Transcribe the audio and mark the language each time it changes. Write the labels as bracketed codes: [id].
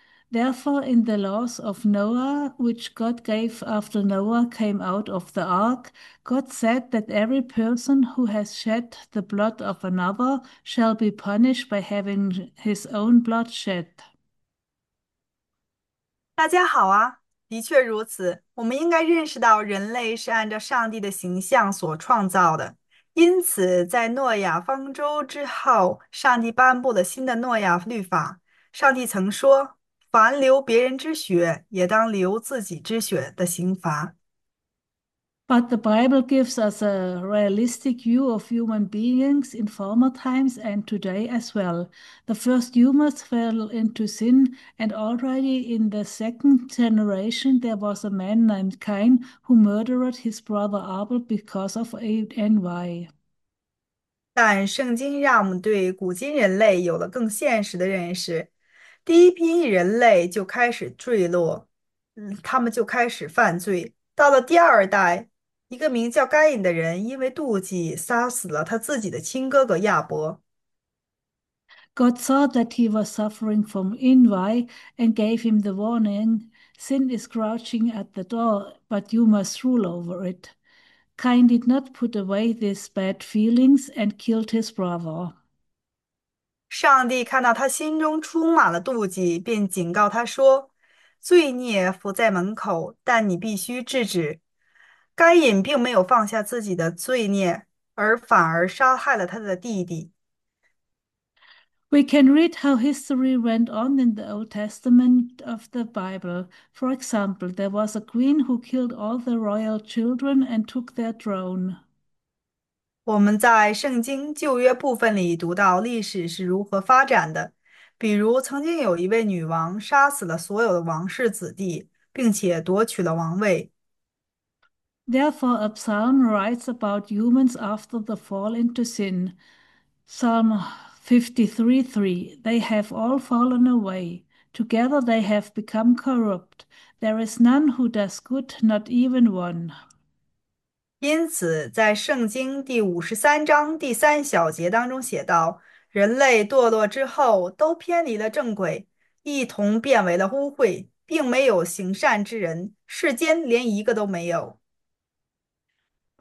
[en] Therefore, in the laws of Noah, which God gave after Noah came out of the ark, God said that every person who has shed the blood of another shall be punished by having his own blood shed. [zh] 大家好啊，的确如此。我们应该认识到，人类是按照上帝的形象所创造的。因此，在诺亚方舟之后，上帝颁布了新的诺亚律法。上帝曾说："凡流别人之血，也当流自己之血"的刑罚。 [en] But the Bible gives us a realistic view of human beings in former times and today as well. The first humans fell into sin, and already in the second generation, there was a man named Cain who murdered his brother Abel because of envy. [zh] 但圣经让我们对古今人类有了更现实的认识。第一批人类就开始坠落，他们就开始犯罪。到了第二代，一个名叫该隐的人因为妒忌杀死了他自己的亲哥哥亚伯。 [en] God saw that he was suffering from envy and gave him the warning, "Sin is crouching at the door, but you must rule over it." Cain did not put away these bad feelings and killed his brother. [zh] 上帝看到他心中充满了妒忌，便警告他说：“罪孽伏在门口，但你必须制止。 ”该隐并没有放下自己的罪孽，而反而杀害了他的弟弟。 [en] We can read how history went on in the Old Testament of the Bible. For example, there was a queen who killed all the royal children and took their throne. [zh] 我们在圣经旧约部分里读到历史是如何发展的，比如曾经有一位女王杀死了所有的王室子弟，并且夺取了王位。 [en] Therefore, a psalm writes about humans after the fall into sin. Psalm 53:3. They have all fallen away. Together they have become corrupt. There is none who does good, not even one. [zh] 因此，在圣经第53章第3小节当中写道：“人类堕落之后，都偏离了正轨，一同变为了污秽，并没有行善之人，世间连一个都没有。”